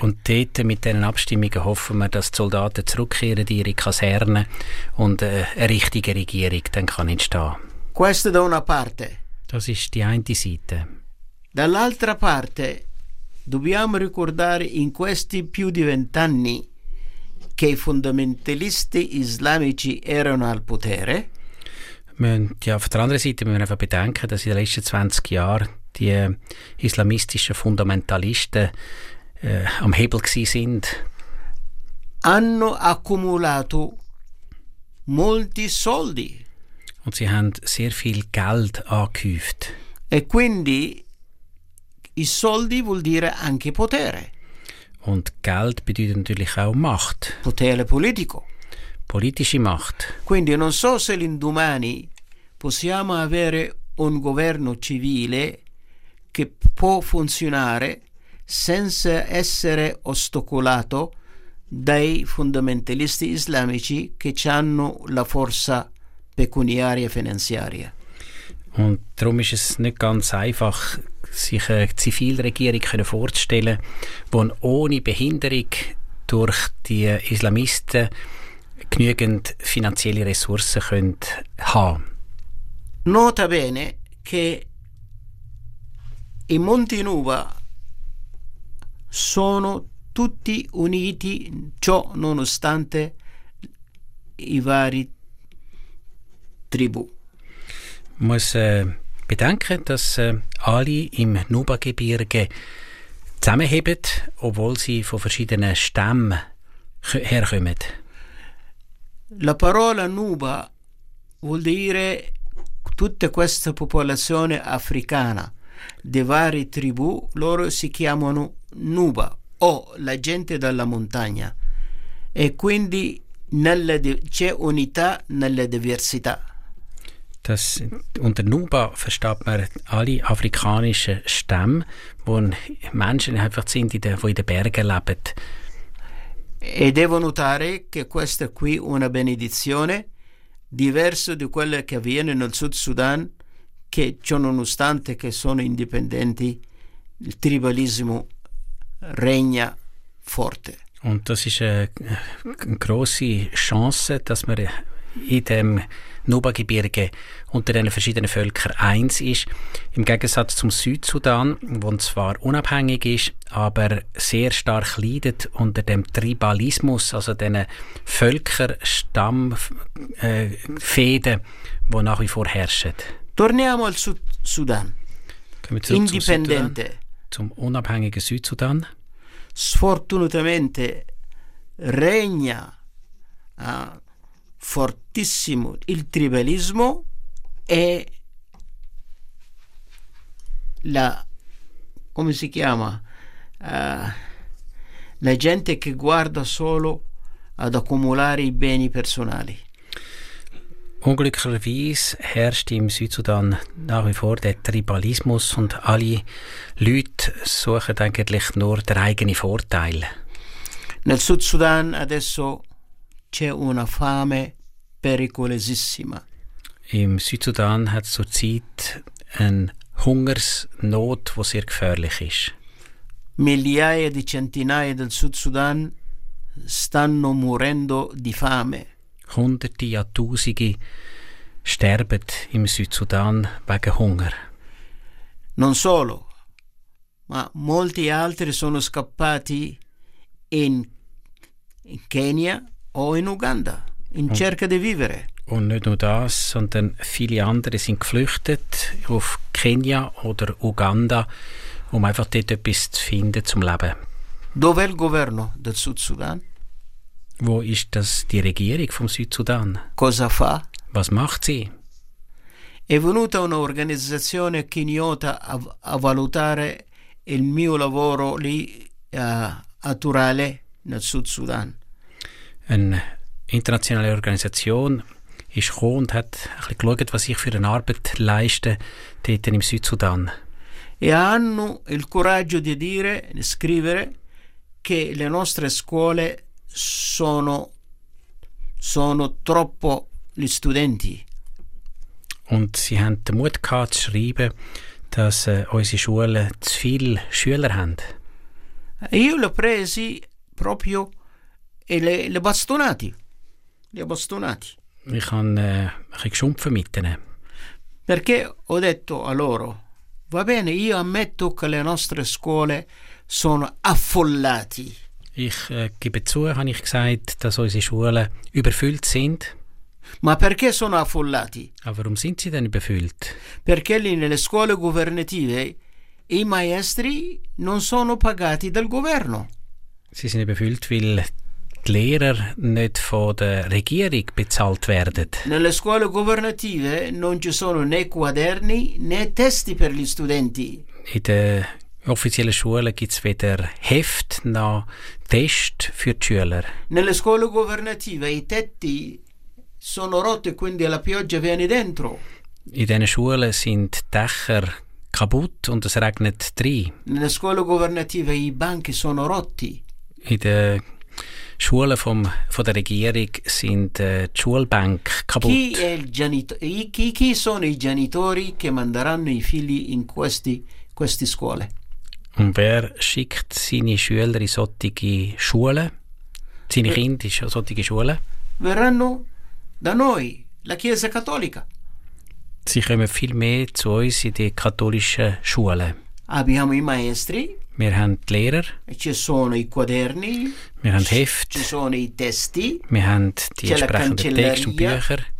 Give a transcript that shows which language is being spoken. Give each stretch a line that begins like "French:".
German: Und dort mit diesen Abstimmungen hoffen wir, dass die Soldaten zurückkehren in ihre Kaserne und eine richtige Regierung dann kann entstehen.
Italian: Questo da una parte.
German: Das ist die eine Seite.
Italian: Dall'altra parte dobbiamo ricordare in questi più di vent'anni che i fondamentalisti islamici erano al potere.
German: Auf der anderen Seite müssen wir einfach bedenken, dass in den letzten 20 Jahren die islamistischen Fundamentalisten am Hebel gewesen sind.
Italian: Hanno accumulato molti soldi.
German: Und sie haben sehr viel Geld angehäuft.
Italian: E quindi i soldi vuol dire anche potere.
German: Und Geld bedeutet natürlich auch Macht.
Italian: Potere politico.
German: Politische Macht.
Italian: Quindi non so se l'indomani possiamo avere un governo civile che può funzionare senza essere ostacolato dai fondamentalisti islamici che hanno la forza pecuniaria e finanziaria.
German: Und darum ist es nicht ganz einfach, sich eine Zivilregierung vorzustellen, die ohne Behinderung durch die Islamisten genügend finanzielle Ressourcen haben.
Italian: Nota bene che i Monti Nuba sono tutti uniti, ciò nonostante i vari tribù.
German: Muss bedenken, dass alle im Nuba-Gebirge zusammenheben, obwohl sie von verschiedenen Stämmen herkommen.
Italian: La parola Nuba vuol dire tutta questa popolazione africana di varie tribù, loro si chiamano Nuba o la gente della montagna. E quindi c'è unità nella diversità.
German: Das, unter Nuba versteht man alle afrikanischen Stämme, wo Menschen einfach sind, die in den Bergen leben.
Italian: E devo notare che questa qui è una benedizione diverso di quello che avviene nel Sud Sudan, che ciò nonostante che sono indipendenti, il tribalismo regna forte.
German: Und das ist eine grosse Chance, dass man in dem Nuba-Gebirge unter den verschiedenen Völkern eins ist, im Gegensatz zum Südsudan, wo zwar unabhängig ist, aber sehr stark leidet unter dem Tribalismus, also den Völkerstammfäden, die nach wie vor herrschen.
Italian: Torniamo al Sud-Sudan.
German: Kommen wir zurück Independente. Zum unabhängigen Südsudan.
Italian: Sfortunatamente regna fortissimo il tribalismo e la, come si chiama, la gente che guarda solo ad accumulare i beni personali.
German: Unglücklicherweise herrscht im Südsudan nach wie vor der Tribalismus und alle Leute suchen eigentlich nur den eigenen Vorteil.
Italian: Nel Südsudan adesso c'è una fame pericolosissima.
German: Im Südsudan hat es zurzeit eine Hungersnot, die sehr gefährlich ist.
Italian: Migliaia di centinaia del Südsudan stanno morendo di fame.
German: Hunderte ja Tausende sterben im Südsudan wegen Hunger.
Italian: Non solo, ma molti altri sono scappati in Kenia o in Uganda in cerca di vivere.
German: Und nicht nur das, sondern viele andere sind geflüchtet auf Kenia oder Uganda, um einfach dort etwas zu finden zum Leben.
Italian: Dov'è il governo del Südsudan?
German: Wo ist das die Regierung vom Südsudan?
Italian: Cosa fa?
German: Was macht sie?
Italian: È venuta un'organizzazione keniota a valutare il mio lavoro lì a Turale nel Südsudan.
German: Eine internationale Organisation ist gekommen und hat ein bisschen geschaut, was ich für eine Arbeit leiste dort im Südsudan.
Italian: E hanno il coraggio di dire, di scrivere, che le nostre scuole sono troppo gli studenti.
German: Und sie haben den Mut gehabt zu schreiben, dass unsere Schulen zu viele Schüler haben.
Italian: Io le presi proprio e le bastonati. Le bastonati.
German: Ich habe ein geschumpfen mit ihnen.
Italian: Perché ho detto a loro, va bene, io ammetto che le nostre scuole sono affollate.
German: Ich gebe zu, habe ich gesagt, dass unsere Schulen überfüllt sind.
Italian: Ma perché sono affollati?
German: Aber warum sind sie denn überfüllt?
Italian: Perché lì nelle scuole governative i maestri non sono pagati dal governo.
German: Sie sind überfüllt, weil die Lehrer nicht von der Regierung bezahlt werden.
Italian: Nelle scuole governative non ci sono né quaderni né testi per gli studenti.
German: In den offiziellen Schulen gibt es weder Heft noch Test für die Schüler.
Italian: Nelle scuole governative i tetti sono rotti, quindi la pioggia viene dentro.
German: In diesen Schulen sind die Dächer kaputt und es regnet drin.
Italian: Nelle scuole governative i banchi sono rotti.
German: In den Schulen von der Regierung sind die Schulbank kaputt.
Italian: Chi sono i genitori che manderanno i figli in queste scuole?
German: Und wer schickt seine Schüler in solche Schulen? Seine Kinder in solche Schulen?
Italian: Verranno da noi, la Chiesa Cattolica.
German: Sie kommen viel mehr zu uns in die katholischen Schulen.
Italian: Abbiamo i maestri.
German: Wir haben die Lehrer.
Italian: Ci sono i quaderni.
German: Wir haben Heft.
Italian: Ci sono i testi.
German: Wir haben die entsprechenden Texte und Bücher.